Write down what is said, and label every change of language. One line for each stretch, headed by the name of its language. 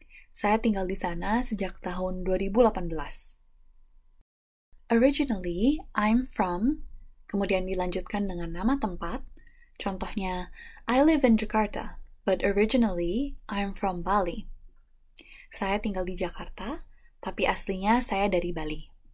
Indonesian: Saya tinggal di sana sejak tahun 2018.
English: Originally, I'm from.
Indonesian: Kemudian dilanjutkan dengan nama tempat.
English: Contohnya, I live in Jakarta, but originally, I'm from Bali.
Indonesian: Saya tinggal di Jakarta, tapi aslinya saya dari Bali.